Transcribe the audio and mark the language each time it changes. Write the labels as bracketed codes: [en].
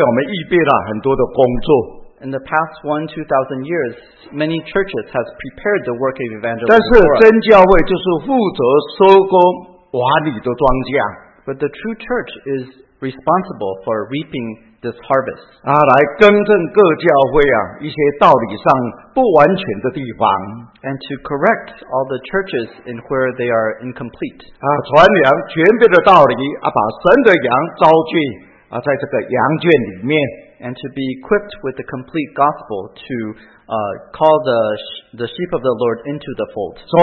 [zh] 2000年来，各教会为我们预备了很多的工作。 [en] In the past 1-2,000 years, many churches have prepared the work of evangelism. [zh] 但是真教会就是负责收割碗里的庄稼。 [en] But the true church is responsible for reaping this harvest. [zh] 来更正各教会啊一些道理上不完全的地方。 [en] And to correct all the churches in where they are incomplete. [zh] 传扬全备的道理啊把神的羊招聚啊在这个羊圈里面。 [en] And to be equipped with the complete gospel to call the sheep of the Lord into the fold.